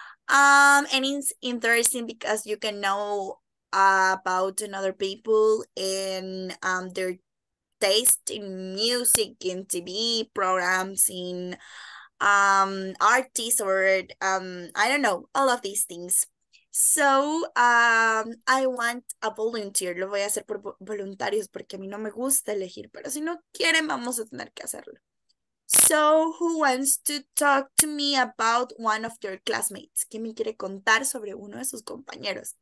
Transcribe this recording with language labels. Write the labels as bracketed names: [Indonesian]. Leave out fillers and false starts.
[English] And it's interesting because you can know about another people and their taste in music, in TV programs, in artists, or I don't know, all of these things. So, I want a volunteer. [Spanish] Lo voy a hacer por voluntarios porque a mí no me gusta elegir, pero si no quieren, vamos a tener que hacerlo. [English] So, who wants to talk to me about one of your classmates? [Spanish] ¿Quién me quiere contar sobre uno de sus compañeros?